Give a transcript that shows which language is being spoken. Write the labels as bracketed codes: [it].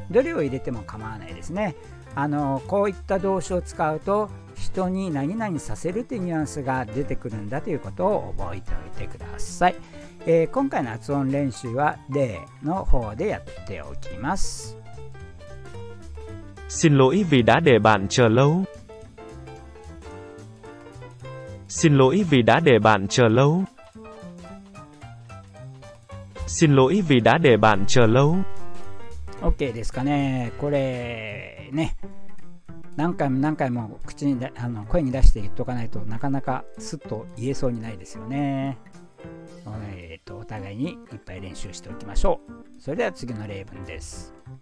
[ja] どれを入れても構わないですね。こういった動詞を使うと人に何々させるというニュアンスが出てくるんだということを覚えておいてください。今回の発音練習はでの方でやっておきます。 [vi] Xin lỗi vì đã để bạn chờ lâu. Xin lỗi vì đã để bạn chờ lâu. Xin lỗi vì đã để bạn chờ lâu. [ja] OK ですかね。これね、何回も何回も口に声に出して言っとかないとなかなかスッと言えそうにないですよね。お互いにいっぱい練習しておきましょう。それでは次の例文です。